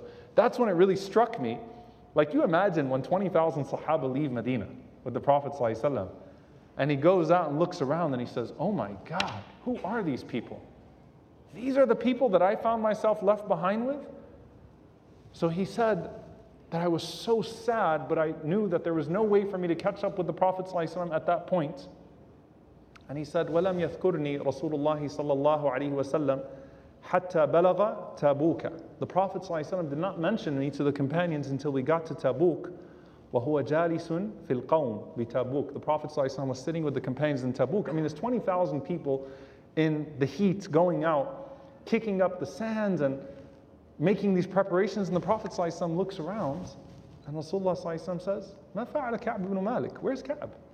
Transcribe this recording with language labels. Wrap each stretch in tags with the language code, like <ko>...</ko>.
<en>So that's when it really struck me. Like, you imagine when 20,000 sahaba leave Medina with the Prophet ﷺ, and he goes out and looks around and he says, oh my God, who are these people? These are the people that I found myself left behind with? So he said that I was so sad, but I knew that there was no way for me to catch up with the Prophet ﷺ at that point. And he said,</en> <ar>وَلَمْ يَذْكُرْنِي رَسُولُ اللَّهِ صَلَّى اللَّهُ عَلَيْهِ وَسَلَّمْ حَتَّى بَلَغَ تَابُوكَ.</ar> <en>The Prophet ﷺ did not mention me to the companions until we got to Tabuk.</en> <ar>وَهُوَ جَالِسٌ فِي الْقَوْمِ بِتَابُوك.</ar> <en>The Prophet ﷺ was sitting with the companions in Tabuk. I mean, there's 20,000 people in the heat going out, kicking up the sands and making these preparations, and the Prophet ﷺ looks around, and Rasulullah ﷺ says,</en> <ar>مَا فَعَلَ كَعْبُ بْنُ مَالِكَ.</ar> <en>Where's Ka'b?</en>